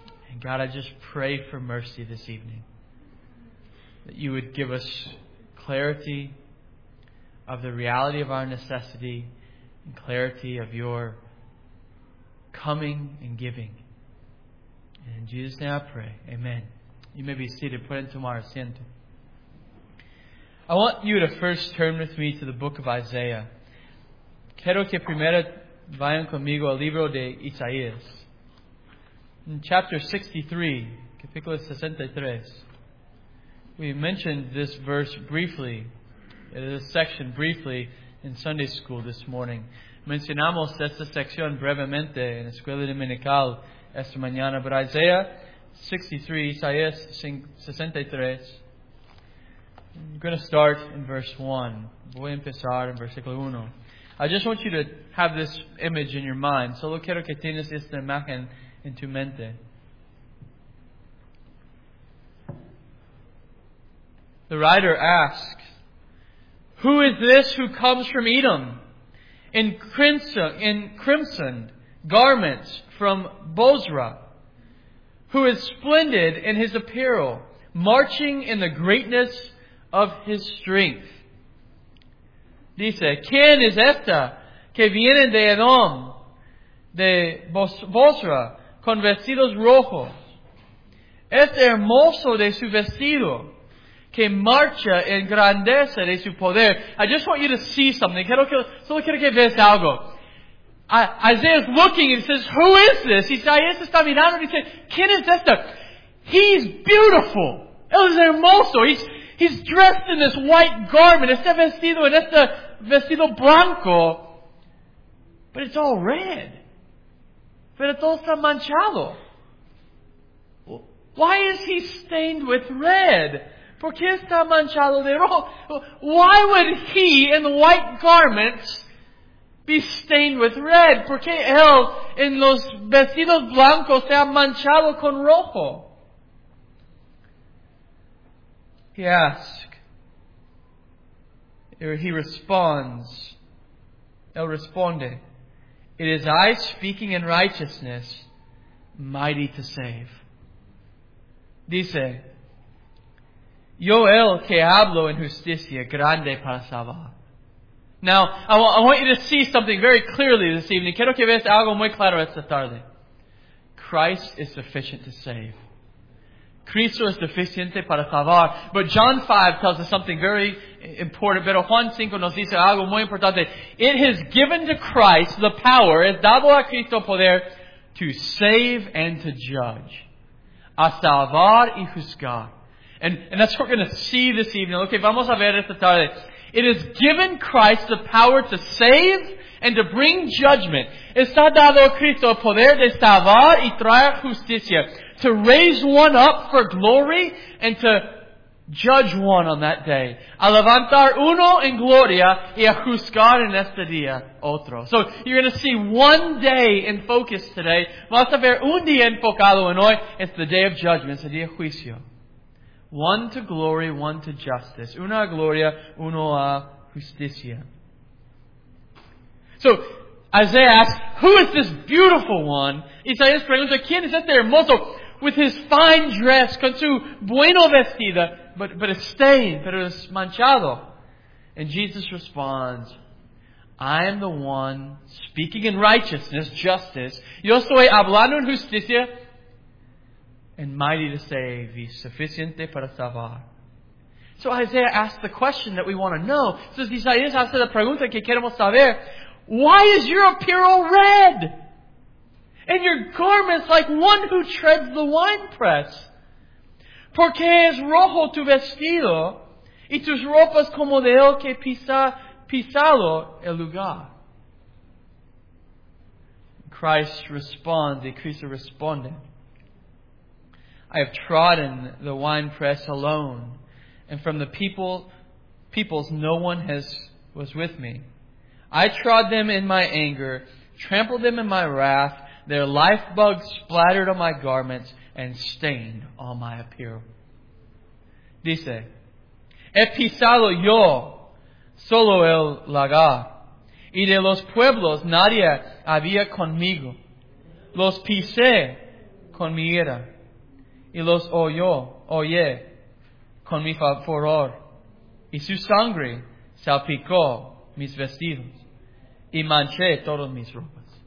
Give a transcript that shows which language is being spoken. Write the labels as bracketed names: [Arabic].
[English] And God, I just pray for mercy this evening. That you would give us clarity of the reality of our necessity and clarity of your coming and giving. And in Jesus' name I pray. Amen. You may be seated. Put into my asiento. I want you to first turn with me to the book of Isaiah. [Spanish] Quiero que primero vayan conmigo al libro de Isaías. [English] In chapter 63, [Spanish] capítulo 63, [English] we mentioned this verse briefly, this section briefly in Sunday school this morning. [Spanish] Mencionamos esta sección brevemente en escuela dominical esta mañana, [English] but Isaiah 63, Isaías 63, I'm going to start in verse 1. [Spanish] Voy a empezar en versículo 1. [English] I just want you to have this image in your mind. [Spanish] Solo quiero que tienes esta imagen en tu mente. [English] The writer asks, "Who is this who comes from Edom in crimson garments from Bozrah, who is splendid in his apparel, marching in the greatness of his strength?" [Spanish] Dice, ¿quién es esta que viene de Edom, de Bosra, con vestidos rojos? Este hermoso de su vestido, que marcha en grandeza de su poder. [English] I just want you to see something. [Spanish] Solo quiero que veas algo. [English] Isaiah is looking and says, who is this? [Spanish] Isaías está mirando y dice, ¿quién es esta? [English] He's beautiful. [Spanish] Él es hermoso. [English] He's dressed in this white garment. [Spanish] Este vestido en este vestido blanco. [English] But it's all red. [Spanish] Pero todo está manchado. [English] Why is he stained with red? [Spanish] ¿Por qué está manchado de rojo? [English] Why would he in the white garments be stained with red? [Spanish] ¿Por qué él en los vestidos blancos se ha manchado con rojo? [English] He asks, or he responds, [Spanish] él responde, [English] "It is I speaking in righteousness, mighty to save." [Spanish] Dice, "Yo el que hablo en justicia, grande para salvar." [English] Now, I want you to see something very clearly this evening. [Spanish] Quiero que veas algo muy claro esta tarde. [English] Christ is sufficient to save. [Spanish] Cristo es suficiente para salvar. [English] But John 5 tells us something very important. [Spanish] Pero Juan 5 nos dice algo muy importante. [English] It has given to Christ the power, [Spanish] es dado a Cristo poder, [English] to save and to judge. [Spanish] A salvar y juzgar. [English] And that's what we're going to see this evening. Okay, [Spanish] vamos a ver esta tarde. [English] It has given Christ the power to save and to bring judgment. [Spanish] Está dado a Cristo el poder de salvar y traer justicia. [English] To raise one up for glory and to Judge one on that day. [Spanish] A levantar uno en gloria y a juzgar en este día otro. [English] So you're going to see one day in focus today. [Spanish] Vas a ver un día enfocado en hoy. [English] It's the day of judgment. It's the day of juicio. One to glory, one to justice. [Spanish] Uno a gloria, uno a justicia. [English] So Isaiah asks, who is this beautiful one? [Spanish] Isaías pregunta, ¿quién es este hermoso? [English] With his fine dress, [Spanish] con su buena vestida, [English] but it's stained, [Spanish] pero es manchado. [English] And Jesus responds, I am the one speaking in righteousness, justice. [Spanish] Yo estoy hablando en justicia, [English] and mighty to save, [Spanish] y suficiente para salvar. [English] So Isaiah asked the question that we want to know. [Spanish] So Isaías hace la pregunta que queremos saber. [English] Why is your apparel red? And your garments like one who treads the winepress. [Spanish] Porque es rojo tu vestido, y tus ropas como de el que pisalo el lugar. [English] Christ responds, [Spanish] y Cristo responde, [English] I have trodden the winepress alone, and from the peoples no one was with me. I trod them in my anger, trampled them in my wrath, their life bugs splattered on my garments and stained all my apparel. [Spanish] Dice, he pisado yo solo el lagar, y de los pueblos nadie había conmigo. Los pisé con mi ira, y los oye con mi furor, y su sangre salpicó mis vestidos, y manché todas mis ropas.